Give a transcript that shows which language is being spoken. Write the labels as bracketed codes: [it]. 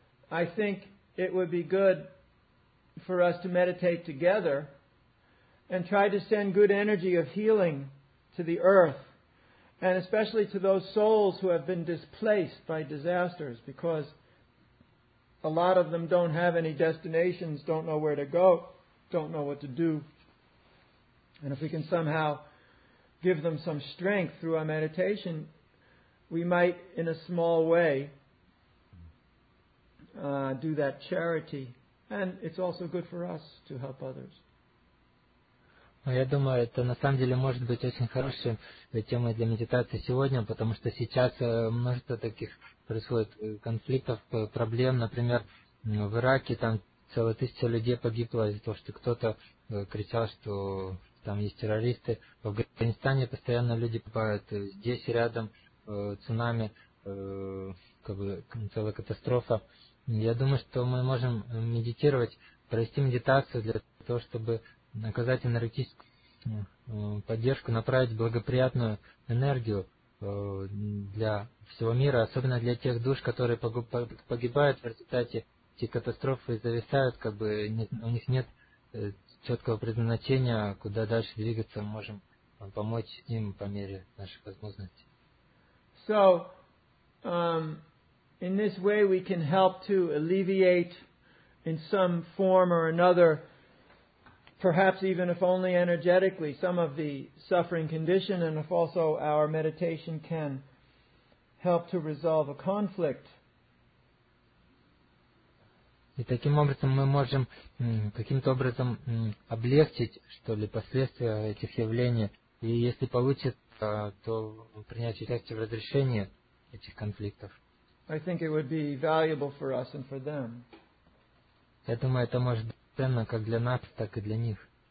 [en] I think it would be good for us to meditate together and try to send good energy of healing to the earth, and especially to those souls who have been displaced by disasters, because a lot of them don't have any destinations, don't know where to go, don't know what to do. And if we can somehow give them some strength through our meditation, we might, in a small way, do that charity. And it's also good for us to help others. [ru] Я думаю, это на самом деле может быть очень хорошей темой для медитации сегодня, потому что сейчас множество таких происходит конфликтов, проблем. Например, в Ираке там целая тысяча людей погибло из-за того, что кто-то кричал, что там есть террористы. В Афганистане постоянно люди попадают здесь, рядом, цунами, как бы целая катастрофа. Я думаю, что мы можем медитировать, провести медитацию для того, чтобы оказать энергетическую поддержку, направить благоприятную энергию для всего мира, особенно для тех душ, которые погибают в результате эти катастрофы и зависают, как бы у них нет четкого предназначения, куда дальше двигаться, мы можем помочь им по мере наших возможностей. [en] So, in this way we can help to alleviate in some form or another, perhaps even if only energetically, some of the suffering condition, and if also our meditation can help to resolve a conflict. [ru] И таким образом мы можем каким-то образом облегчить, что ли, последствия этих явлений. И если получится, то принять участие в разрешении этих конфликтов. [en] I think it would be valuable for us and for them. [ru] Я думаю, это может быть ценно как для нас, так и для них.